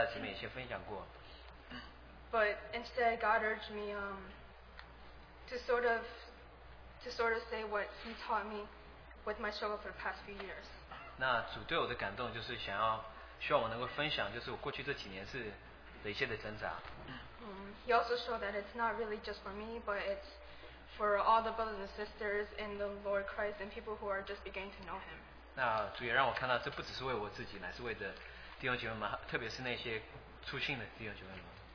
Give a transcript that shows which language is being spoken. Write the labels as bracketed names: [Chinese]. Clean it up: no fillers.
[Chinese] 那我昨天晚上在准备说今天所要分享什么，那我也把这个我的经历跟其他的姐妹也先分享过。 [English] But instead, God urged me to sort of say what He taught me with my struggle for the past few years. [Chinese] 那主对我的感动就是想要。希望我能够分享，就是我过去这几年是的一些的挣扎。 [English] He also showed that it's not really just for me, but it's for all the brothers and sisters in the Lord Christ and people who are just beginning to know Him. [Chinese] 那主也让我看到，这不只是为我自己，乃是为的弟兄姐妹们，特别是那些初信的弟兄姐妹们。